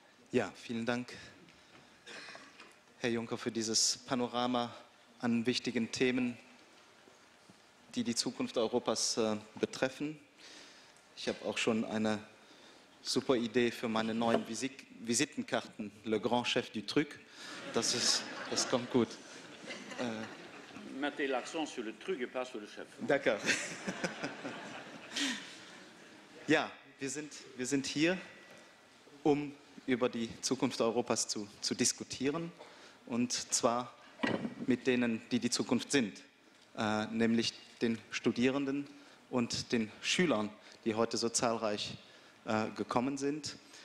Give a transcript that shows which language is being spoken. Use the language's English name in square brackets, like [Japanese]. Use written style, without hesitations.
[German] Ja, vielen Dank, Herr Juncker, für dieses Panorama an wichtigen Themen, die die Zukunft Europas betreffen. Ich habe auch schon eine super Idee für meine neuen Visitenkarten, [French] Le Grand Chef du Truc. [German] Das kommt gut. [French] Mettez l'accent sur le truc et pas sur le chef. D'accord. [German] Ja, wir sind hier, um über die Zukunft Europas zu diskutieren, und zwar mit denen, die die Zukunft sind, nämlich den Studierenden und den Schülern, die heute so zahlreich gekommen sind.